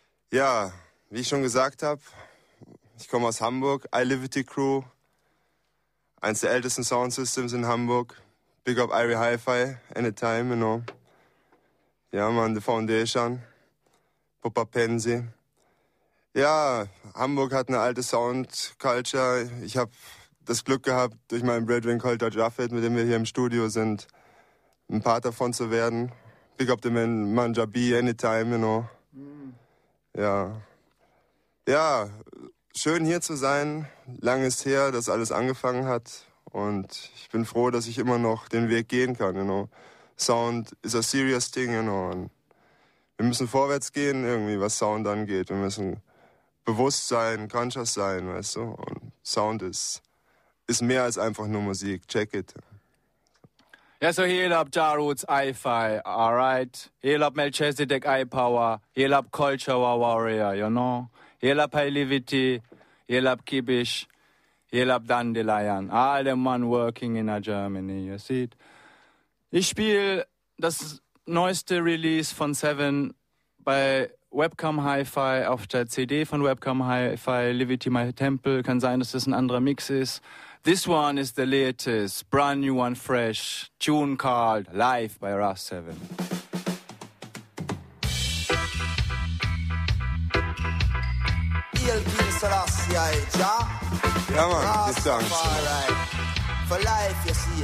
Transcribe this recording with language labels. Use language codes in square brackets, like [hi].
[de] Ja, wie ich schon gesagt habe, ich komme aus Hamburg, iLiberty Crew, eins der ältesten Sound Systems in Hamburg. [en] Big up Irie Hi-Fi, anytime, you know. Ja, man, the Foundation, Papa Pensi. [de] Ja, Hamburg hat eine alte Sound Culture. Ich habe das Glück gehabt, durch meinen Brethren Colter Jaffet, mit dem wir hier im Studio sind, ein Part davon zu werden. [en] Big up the man, man Jabi, anytime, you know. [de] Ja. Ja, schön hier zu sein. Lang ist her, dass alles angefangen hat. Und ich bin froh, dass ich immer noch den Weg gehen kann, you know. [en] Sound is a serious thing, you know. [de] Und wir müssen vorwärts gehen, irgendwie, was Sound angeht. Wir müssen bewusst sein, conscious sein, weißt du. Und Sound ist. Ist mehr als einfach nur Musik. [en] Check it. Ja, so heal up Jarroots iFi, alright. Heal up Melchizedek iPower. Heal up Culture War Warrior, you know. Heal up iLiberty. Heal up Kibish. Heal up Dandelion. All the man working in a Germany, you see it. [de] Ich spiele das neueste Release von Seven bei Webcam Hi-Fi auf der CD von Webcam Hi-Fi, Liberty My Temple. Kann sein, dass das ein anderer Mix ist. [en] This one is the latest, brand new and fresh, tune called Life by Russ Seven. Ja, man, this song's for life, you see.